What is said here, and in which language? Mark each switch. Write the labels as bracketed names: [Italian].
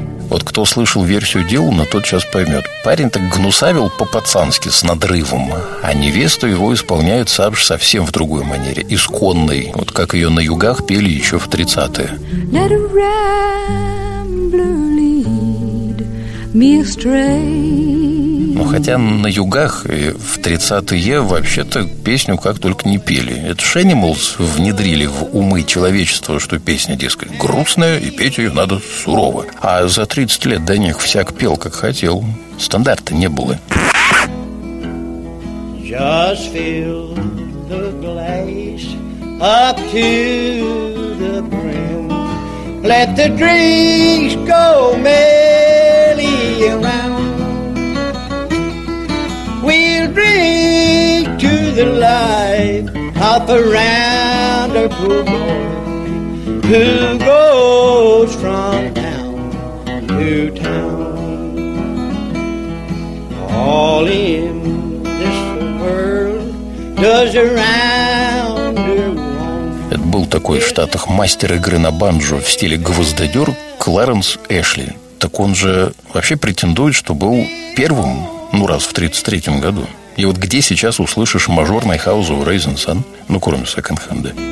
[Russian] Вот кто слышал версию Дилана, тот сейчас поймет. Парень-то гнусавил по-пацански, с надрывом. А невесту его исполняет Сабж совсем в другой манере, исконной. Вот как ее на югах пели еще в 30-е. [English] Let a rambler lead me astray. [Russian] Ну, хотя на югах и в 30-е вообще-то песню как только не пели. Это ж Animals внедрили в умы человечества, что песня, дескать, грустная, и петь ее надо сурово. А за 30 лет до них всяк пел, как хотел. Стандарта не было. [English] Just fill the glass up to the brim. Let the drinks go merrily around. We'll drink to the life of a rounder poor boy who goes from town to town. All in this world does a rounder want. [Russian] Это был такой в Штатах мастер игры на банджо в стиле гвоздодер Кларенс Эшли. Так он же вообще претендует, что был первым. Ну, раз в 33-м году. И вот где сейчас услышишь мажорный House of Rising Sun? Ну, кроме секонд-хенда.